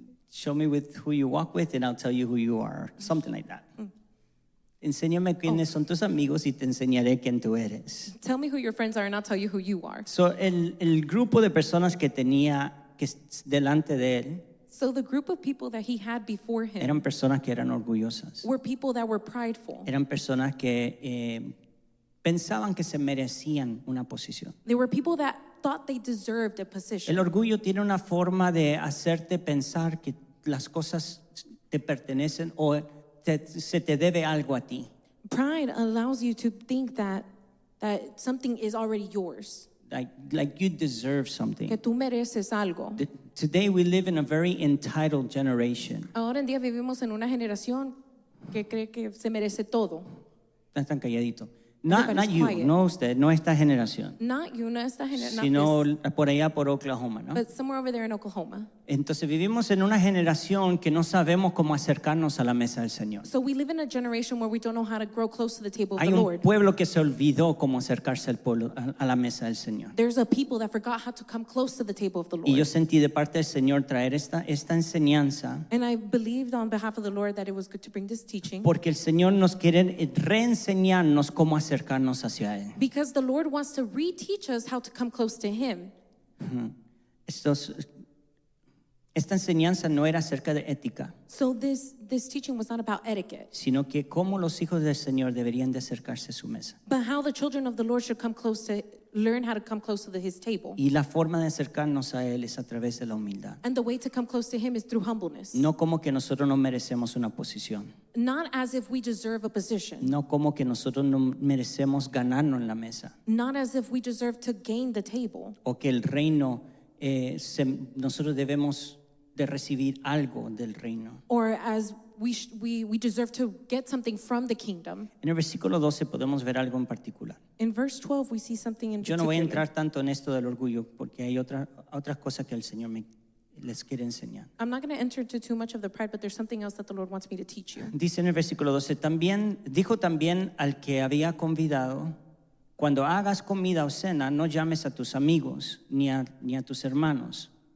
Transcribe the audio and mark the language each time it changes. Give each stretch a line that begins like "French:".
English: Show me with who you walk with and I'll tell you who you are. Something like that.
Spanish: Enséñame quiénes son tus amigos y te enseñaré quién tú eres.
English: Tell me who your friends are and I'll tell you who you are.
Spanish: So el grupo de personas que tenía que delante de él.
English: So the group of people that he had before him.
Spanish: Eran personas que eran orgullosas.
English: Were people that were prideful.
Spanish: Eran personas que pensaban que se merecían una posición.
English: They were people that thought they deserved a position.
Spanish: El orgullo tiene una forma de hacerte pensar que las cosas te pertenecen o se te debe algo a ti.
English: Pride allows you to think that something is already yours. Like you deserve something.
Spanish: Que tú mereces algo.
English: Today we live in a very entitled generation.
Spanish: Ahora en día vivimos en una generación que cree que se merece todo. Están calladitos.
English: Not you, quiet.
Spanish: No usted, no esta generación.
English: Not you,
Spanish: no esta generación. Sino
English: this,
Spanish: por allá por Oklahoma, ¿no?
English: But somewhere over there in Oklahoma.
Spanish: Entonces vivimos en una generación que no sabemos cómo acercarnos a la mesa del Señor.
English: So we live in a generation where we don't know how to grow close to the table of
Spanish: Hay
English: the Lord.
Spanish: Hay un pueblo que se olvidó cómo acercarse al pueblo a la mesa del Señor.
English: There's a people that forgot how to come close to the table of the Lord.
Spanish: Y yo sentí de parte del Señor traer esta enseñanza.
English: And I believed on behalf of the Lord that it was good to bring this teaching.
Spanish: Porque el Señor nos quiere reenseñarnos cómo acercarnos hacia él.
English: Because the Lord wants to reteach us how to come close to him.
Spanish: Esta enseñanza no era acerca de ética.
English: So this teaching was not about etiquette.
Spanish: Sino que cómo los hijos del Señor deberían de acercarse a su mesa.
English: But how the children of the Lord should come close to learn how to come close to his table.
Spanish: Y la forma de acercarnos a él es a través de la humildad.
English: And the way to come close to him is through humbleness.
Spanish: No como que nosotros no merecemos una posición.
English: Not as if we deserve a position.
Spanish: No como que nosotros no merecemos ganarnos en la mesa.
English: Not as if we deserve to gain the table.
Spanish: O que el reino nosotros debemos de recibir algo del reino.
English: Or as we deserve to get something from the kingdom.
Spanish: En el versículo 12 podemos ver algo en particular.
English: In verse 12 we see something in
Spanish: particular. Yo no voy a entrar tanto en esto del orgullo porque hay otras cosas que el Señor les quiere enseñar.
English: I'm not going to enter into too much of the pride, but there's something else that the Lord wants me to teach you.
Spanish: Dice en el versículo 12, dijo también al que había convidado, cuando hagas comida o cena, no llames a tus amigos ni a tus hermanos.